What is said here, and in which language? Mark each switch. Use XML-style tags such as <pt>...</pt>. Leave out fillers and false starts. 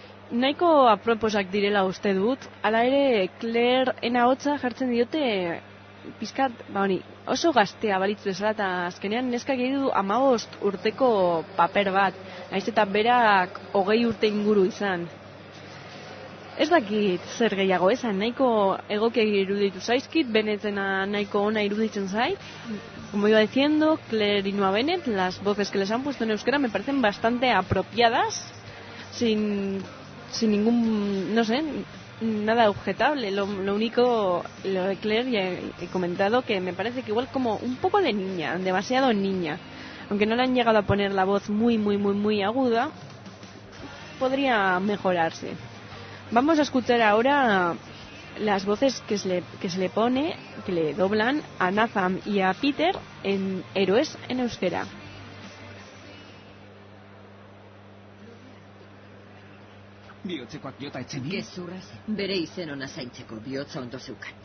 <eu>Nahiko aproposak direla uste dut, ala ere Claire ena ahotsa jartzen diote pizkat, ba honi, oso gaztea balitzu bezala, eta azkenean neska gehi du 15 urteko paper bat, naiz eta berak 20 urte inguru izan. Ez dakit zer gehiago esan, nahiko egokia iruditu zaizkit, Benetena nahiko ona iruditzen zait.</eu> <es>Como iba diciendo, Claire y Noah Bennett, las voces que les han puesto en euskera me parecen bastante apropiadas, sin ningún, no sé, nada objetable, lo único, lo de Claire ya he comentado, que me parece que igual como un poco de niña, demasiado niña, aunque no le han llegado a poner la voz muy muy muy muy aguda, podría mejorarse. Vamos a escuchar ahora las voces que se le pone, que le doblan a Nathan y a Peter en Héroes en euskera.</es> <eu>Bihotzekoak jota etzenin? Gezurraz, bere izen ona zaintzeko bihotza ondo zeukan.</eu>